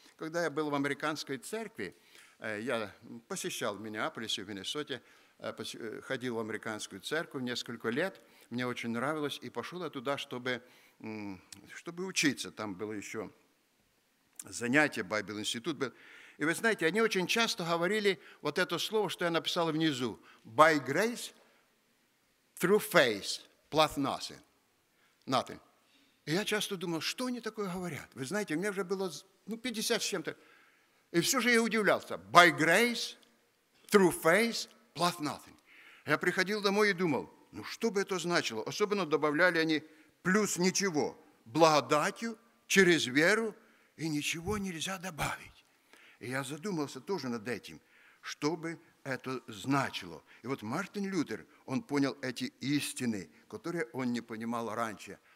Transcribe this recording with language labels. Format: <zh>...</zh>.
<ru>Когда я был в американской церкви, я посещал в Миннеаполисе, в Миннесоте, ходил в американскую церковь несколько лет, мне очень нравилось, и пошел я туда, чтобы учиться. Там было еще занятие, Библейский институт был. И вы знаете, они очень часто говорили вот это слово, что я написал внизу.</ru> <en>By grace, through faith, plus nothing. Nothing.</en> <ru>И я часто думал, что они такое говорят? Вы знаете, у меня уже было 50 с чем-то. И все же я удивлялся.</ru> <en>By grace, through faith, plus nothing.</en> <ru>Я приходил домой и думал, ну что бы это значило? Особенно добавляли они плюс ничего. Благодатью, через веру, и ничего нельзя добавить. И я задумался тоже над этим, что бы это значило. И вот Мартин Лютер, он понял эти истины, которые он не понимал раньше.</ru>